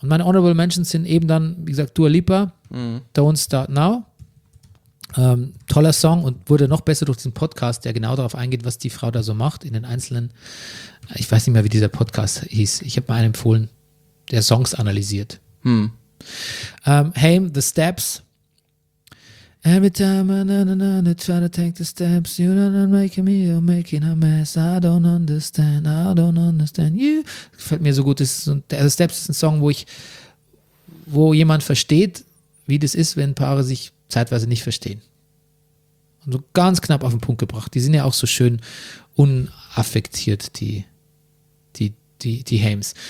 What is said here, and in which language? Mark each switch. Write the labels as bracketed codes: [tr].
[de] Und meine Honorable Mentions sind eben dann, wie gesagt, Dua Lipa, Don't Start Now. Toller Song und wurde noch besser durch diesen Podcast, der genau darauf eingeht, was die Frau da so macht in den einzelnen. Ich weiß nicht mehr, wie dieser Podcast hieß. Ich habe mal einen empfohlen, der Songs analysiert. Haim, The Steps. [en] Every time I try to take the steps, you're not making me, you're making a mess. I don't understand you. [de] Gefällt mir so gut. The Steps ist ein Song, wo jemand versteht, wie das ist, wenn Paare sich zeitweise nicht verstehen. Und so ganz knapp auf den Punkt gebracht. Die sind ja auch so schön unaffektiert, die Hames.